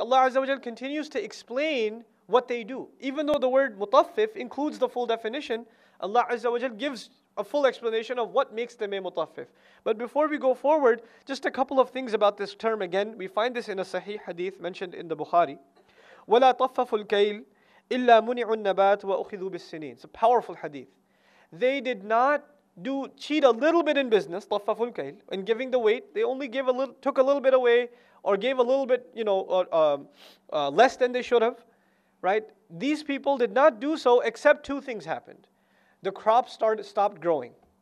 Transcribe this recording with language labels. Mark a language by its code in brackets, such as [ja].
[en] Allah Azza wa Jalla continues to explain what they do. Even though the word mutaffif includes the full definition, Allah Azza wa Jalla gives a full explanation of what makes them a mutaffif. But before we go forward, just a couple of things about this term again. We find this in a sahih hadith mentioned in the Bukhari. [ar] وَلَا طَفَّفُ الْكَيْلِ إِلَّا مُنِعُ النَّبَاتُ وَأُخِذُوا بِالسِّنِينَ [en] It's a powerful hadith. They did not do cheat a little bit in business, [ar] طَفَّفُ الْكَيْلِ, [en] in giving the weight. They only gave a little, took a little bit away, or gave a little bit, you know, less than they should have, right? These people did not do so except two things happened. The crop stopped growing.